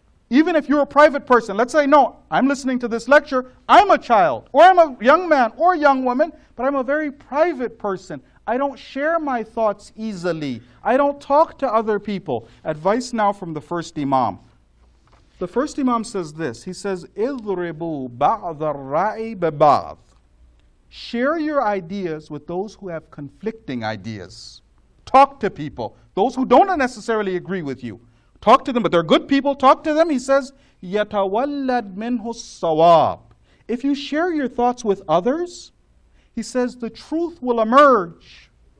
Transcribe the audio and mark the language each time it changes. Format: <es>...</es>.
<en>Even if you're a private person, let's say, no, I'm listening to this lecture, I'm a child, or I'm a young man or a young woman, but I'm a very private person. I don't share my thoughts easily. I don't talk to other people. Advice now from the first imam. The first imam says this. He says,</en> <ar>اضربوا بعض الرأي ببعض.</ar> <en>Share your ideas with those who have conflicting ideas. Talk to people, those who don't necessarily agree with you. Talk to them, but they're good people. Talk to them. He says,</en> <ar>يَتَوَلَّدْ مِنْهُ الصَّوَابِ.</ar> <en>If you share your thoughts with others, he says, the truth will emerge.</en>